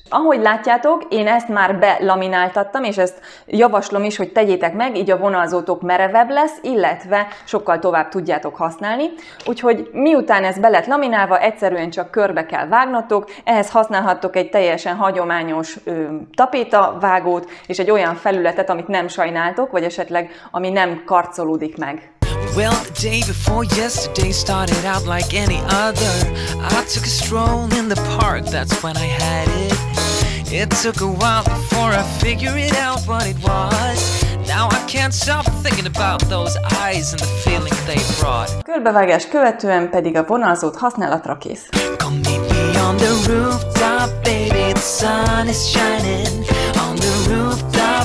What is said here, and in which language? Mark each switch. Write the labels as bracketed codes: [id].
[hu] Ahogy látjátok, én ezt már belamináltattam, és ezt javaslom is, hogy tegyétek meg, így a vonalzótok merevebb lesz, illetve sokkal tovább tudjátok használni. Úgyhogy miután ez be lett laminálva, egyszerűen csak körbe kell vágnotok, ehhez használhattok egy teljesen hagyományos tapétavágót, és egy olyan felületet, amit nem sajnáltok, vagy esetleg ami nem karcolódik meg. [en] Well, the day before yesterday started out like any other. I took a stroll in the park, that's when I had it. It took a while before I figured it out what it was. Now I can't stop thinking about those eyes and the feeling they brought. [hu] Körbevágás követően pedig a vonalzót használatra kész. [en] Come meet me on the rooftop, baby, the sun is shining on the rooftop.